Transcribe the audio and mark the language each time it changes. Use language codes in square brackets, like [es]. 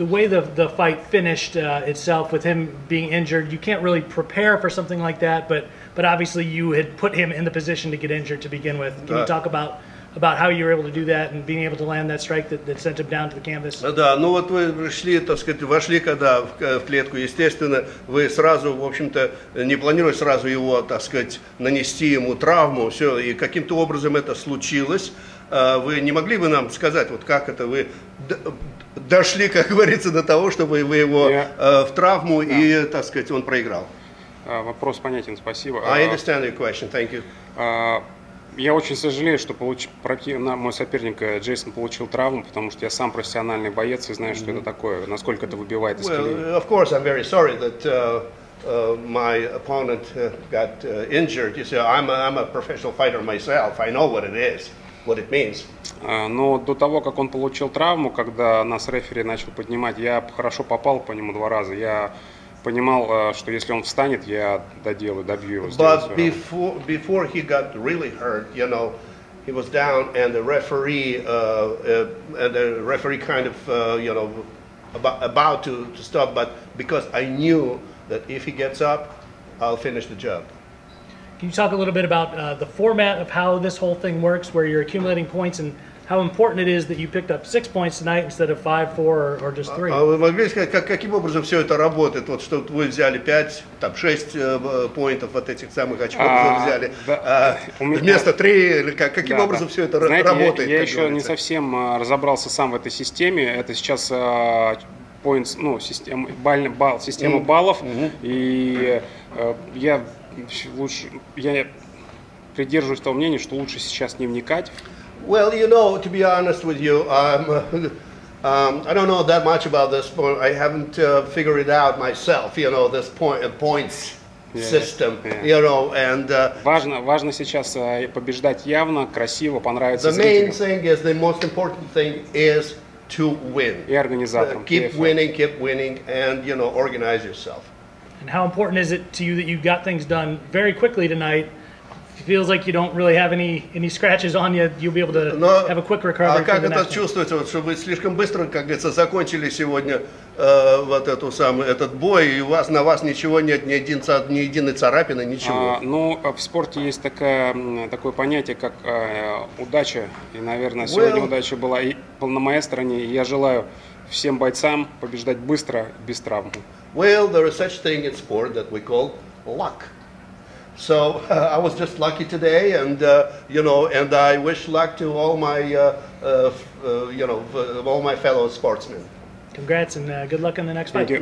[en] The way the fight finished itself with him being injured, you can't really prepare for something like that. But obviously you had put him in the position to get injured to begin with. Can you talk about how you were able to do that and being able to land that strike that sent him down to the canvas? [ru] Да, вот вы пришли, так сказать, вошли когда в клетку, естественно, вы сразу, в общем-то, не планировали сразу его, так сказать, нанести ему травму, все, и каким-то образом это случилось. Вы не могли бы нам сказать, вот как это вы дошли, как говорится, до того, чтобы вы его в травму и, так сказать, он проиграл? Вопрос понятен, спасибо. [en] I understand your question, thank you. [ru] Я очень сожалею, что мой соперник Джейсон получил травму, потому что я сам профессиональный боец и знаю, что это такое, насколько это выбивает из колеи. [en] Well, of course, I'm very sorry that my opponent got injured. You see, I'm a professional fighter myself. I know what it is, what it means. [ru] Но до того, как он получил травму, когда нас рефери начал поднимать, я хорошо попал по нему два раза. Я понимал, что если он встанет, я доделаю, добью его. [en] But before he got really hurt, you know, he was down and the referee kind of, you know, about to stop, but because I knew that if he gets up, I'll finish the job. Can you talk a little bit about the format of how this whole thing works, where you're accumulating points and how important it is that you picked up 6 points tonight instead of 5, 4, or just 3? [ru] А вы могли сказать, каким образом все это работает? Вот что вы взяли 5, там 6 поинтов от этих самых очков взяли, вместо 3, или каким образом все это работает? Я еще не совсем разобрался сам в этой системе. Это сейчас points, система баллов, и я лучше, я придерживаюсь того мнения, что лучше сейчас не вникать. [en] Well, you know, to be honest with you, I don't know that much about this point. I haven't figured it out myself, you know, this points system, you know, and... [ru] Важно сейчас побеждать явно, красиво, понравится зрителям. [en] The most important thing is to win. [ru] И организаторам. [en] Keep winning, and, you know, organize yourself. And how important is it to you that you got things done very quickly tonight, feels like you don't really have any scratches on you, you'll be able to have a quick recovery. [ru] А как это чувствуется, вот, что вы слишком быстро, как говорится, закончили сегодня вот эту самую этот бой, и у вас на вас ничего нет, ни единой царапины, ничего? Ну, в спорте есть такое понятие, как удача, и, наверное, сегодня удача была и на моей стороне, и я желаю всем бойцам побеждать быстро, без травм. [en] Well, there is such thing in sport that we call luck. So I was just lucky today, and you know, and I wish luck to all my, you know, all my fellow sportsmen. Congrats and good luck in the next fight.